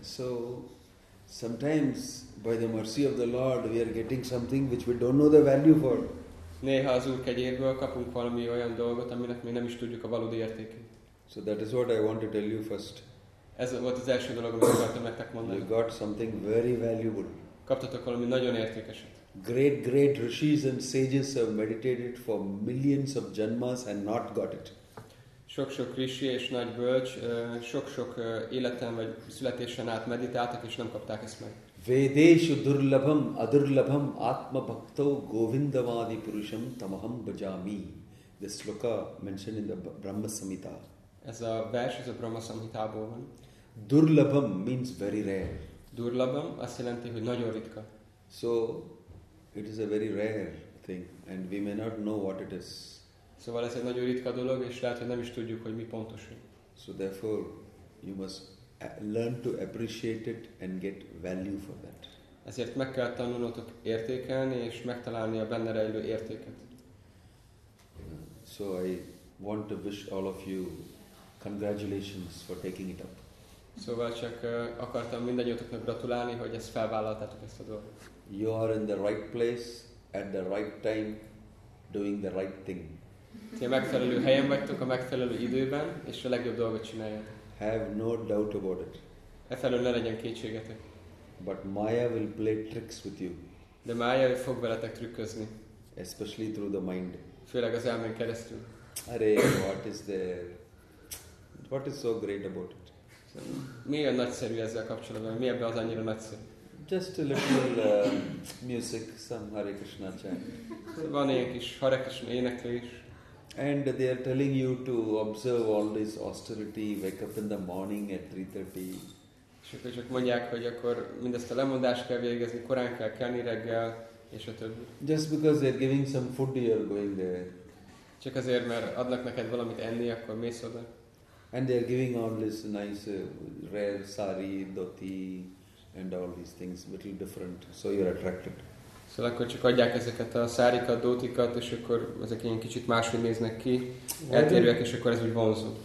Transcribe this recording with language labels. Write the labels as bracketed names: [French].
[English] So, sometimes, by the mercy of the Lord, we are getting something which we don't know the value for. [Hungarian] Néha az Úr kegyéből kapunk valami olyan dolgot, aminek mi nem is tudjuk a valódi értékét. [English] So that is what I want to tell you first. [Hungarian] Ez volt az első dolog, amit akartam nektek mondani. [English] You got something very valuable. [Hungarian] Kaptatok valami nagyon értékeset. [English] Great, great rishis and sages have meditated for millions of janmas and not got it. [Hungarian] Sok-sok rishi és nagy bölcs, sok-sok életen vagy születésen át meditáltak, és nem kapták ezt meg. [Sanskrit] Vedeshu durlabham adurlabham atma bhakto govindavadi purusham tamaham bhajami. [English] This sloka mentioned in the Brahma Samhita. [Hungarian] Ez a vers, ez a Brahma Samhitából van. [English] Durlabham means very rare. [Hungarian] Durlabham azt jelenti, hogy nagyon ritka. [English] So, it is a very rare thing, and we may not know what it is. [Hungarian] Szóval ez egy nagyon ritka dolog, és lehet, hogy nem is tudjuk, hogy mi pontosan. [English] So therefore, you must learn to appreciate it and get value for that. [Hungarian] Ezért meg kell tanulnotok értékelni, és megtalálni a benne rejlő értéket. [English] So I want to wish all of you congratulations for taking it up. [Hungarian] Szóval csak akartam mindannyiótoknak gratulálni, hogy ezt felvállaltátok ezt a dolgot. [English] You are in the right place, at the right time, doing the right thing. [Hungarian] Ti a megfelelő helyen vagytok, a megfelelő időben, és a legjobb dolgot csináljátok. [English] Have no doubt about it. [Hungarian] E felől ne legyen kétségetek. [English] But Maya will play tricks with you. [Hungarian] De Maya fog veletek trükközni. [English] Especially through the mind. [Hungarian] Főleg az elmén keresztül. [English] Arre, what is there? What is so great about it? So, [Hungarian] mi a nagyszerű ezzel kapcsolatban? Mi ebben az annyira nagyszerű? [English] Just a little music, some Hare Krishna chant. [Hungarian] So, van ilyen kis Hare Krishna éneklés. [English] And they are telling you to observe all this austerity, wake up in the morning at 3:30. [Hungarian] Csak mondják, hogy akkor mindezt a lemondást kell végezni, korán kell kelni reggel, és a többi. [English] Just because they are giving some food, you are going there. [Hungarian] Csak azért, mert adnak neked valamit enni, akkor mész oda. [English] And they are giving all this nice rare sari, dhoti and all these things, little different, so you are attracted. [Hungarian] Szóval akkor csak adják ezeket a szárikat, dótikat, és akkor ezek ilyen kicsit máshogy néznek ki, eltérőek, és akkor ez úgy vonzó.